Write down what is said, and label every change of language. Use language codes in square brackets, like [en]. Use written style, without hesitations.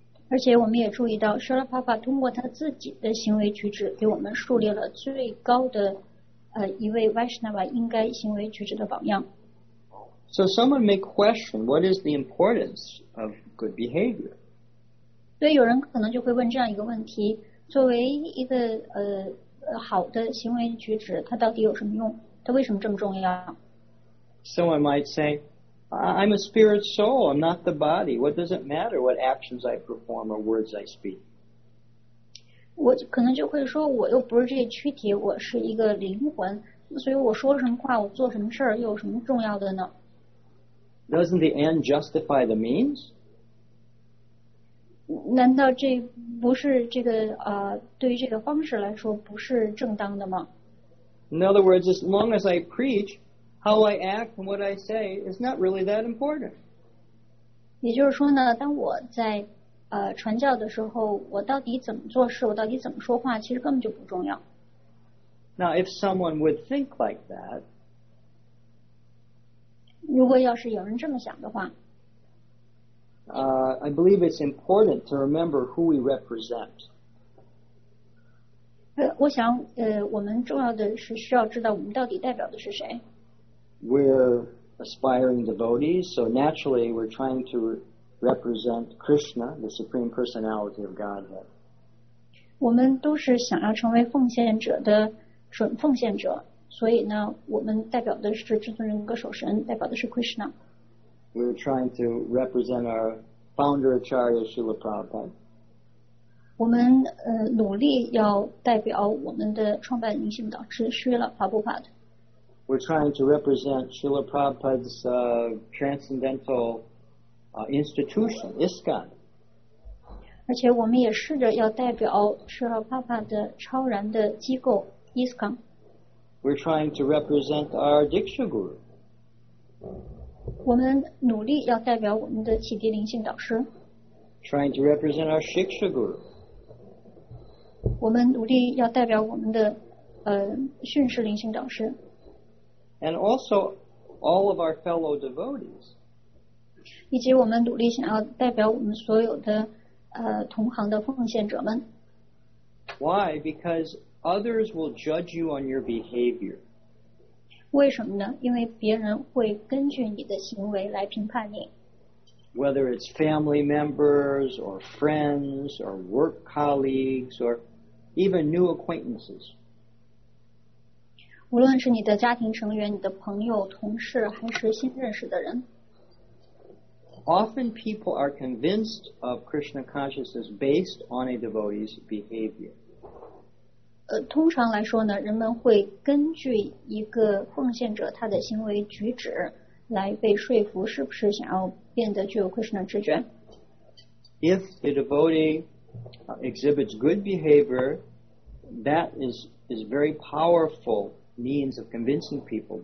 [zh] 而且我们也注意到 Srila Prabhupada 通过他自己的行为举止给我们树立了最高的一位 Vaishnava 应该行为举止的榜样 [en] So someone may question, what is the importance of good behavior? [zh] 所以有人可能就会问这样一个问题，作为一个好的行为举止，它到底有什么用？它为什么这么重要？ [en] Someone might say, I'm a spirit soul, I'm not the body. What does it matter what actions I perform or words I speak? [zh] 我可能就会说，我又不是这躯体，我是一个灵魂，所以我说什么话，我做什么事儿，又有什么重要的呢？ [en] Doesn't the end justify the means? [zh] 难道这不是这个对于这个方式来说不是正当的吗？ [en] In other words, as long as I preach, how I act and what I say is not really that important. [zh] 也就是说呢，当我在传教的时候，我到底怎么做事，我到底怎么说话，其实根本就不重要。 [en] Now, if someone would think like that, [zh] 如果要是有人这么想的话 [en] I believe it's important to remember who we represent [zh] 我想我们重要的是需要知道我们到底代表的是谁 [en] We're aspiring devotees so naturally we're trying to represent Krishna the Supreme Personality of Godhead [zh] 我们都是想要成为奉献者的准奉献者所以呢，我们代表的是至尊人格守神，代表的是 Krishna。 [en] We're trying to represent our founder Acharya Srila Prabhupada。 [zh] 我们努力要代表我们的创办灵性导师 Srila Prabhupada。 [en] We're trying to represent Srila Prabhupada's transcendental institution, ISKCON。 [zh] 而且我们也试着要代表 Srila Prabhupada 的超然的机构 ISKCON。 [en] We're trying to represent our Diksha Guru. [zh] 我们努力要代表我们的启迪灵性导师。 [en] Trying to represent our Shiksha Guru. [zh] 我们努力要代表我们的训示灵性导师。 [en] And also all of our fellow devotees. [zh] 以及我们努力想要代表我们所有的同行的奉献者们。 [en] Why? Because Others will judge you on your behavior. [zh] 为什么呢？因为别人会根据你的行为来评判你。 [en] Whether it's family members or friends or work colleagues or even new acquaintances. [zh] 无论是你的家庭成员、你的朋友、同事，还是新认识的人。 [en] Often people are convinced of Krishna consciousness based on a devotee's behavior. [zh] 通常来说呢，人们会根据一个奉献者他的行为举止来被说服，是不是想要变得具有 Krishna 知觉。 [en] If the devotee exhibits good behavior, that is very powerful means of convincing people.